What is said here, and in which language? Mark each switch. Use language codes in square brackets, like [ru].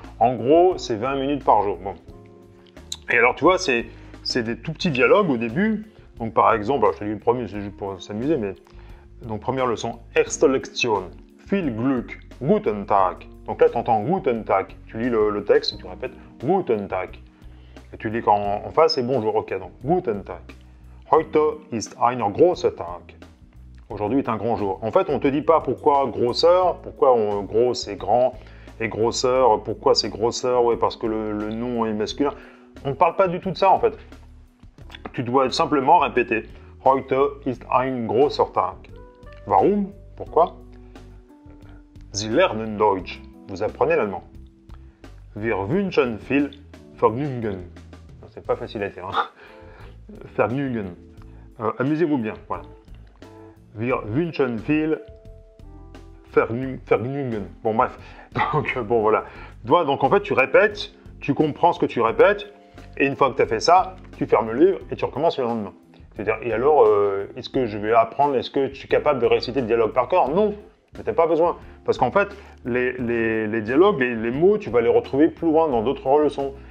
[fr] En gros, c'est 20 minutes par jour. Bon. Et alors, tu vois, c'est des tout petits dialogues au début. Donc, par exemple, alors, je te dis le premier, c'est juste pour s'amuser, mais... Donc, première leçon. [de] Erste Lektion. Viel Glück. Guten Tag. [fr] Donc là, tu entends [de] Guten Tag. [fr] Tu lis le texte, tu répètes [de] Guten Tag. [fr] Et tu lis en face, c'est bonjour. Ok, donc [de] Guten Tag. Heute ist ein großer Tag. [fr] Aujourd'hui est un grand jour. En fait, on ne te dit pas pourquoi grosseur, pourquoi gros, c'est grand... Et grosseur, pourquoi c'est grosseur? Ouais, parce que le nom est masculin. On ne parle pas du tout de ça, en fait. Tu dois simplement répéter. [de] Heute ist ein großer Tag. Warum? [fr] Pourquoi? [de] Sie lernen Deutsch. [fr] Vous apprenez l'allemand. [de] Wir wünschen viel Vergnügen. [fr] C'est pas facile à dire. Hein. Vergnügen. Amusez-vous bien. Voilà. [de] Wir wünschen viel Vergnügen. [fr] Bon, bref. Donc, bon, voilà. Donc, en fait, tu répètes, tu comprends ce que tu répètes, et une fois que tu as fait ça, tu fermes le livre et tu recommences le lendemain. C'est-à-dire, et alors, est-ce que je vais apprendre, est-ce que tu es capable de réciter le dialogue par cœur? Non, mais t'as pas besoin. Parce qu'en fait, les dialogues, les mots, tu vas les retrouver plus loin dans d'autres leçons.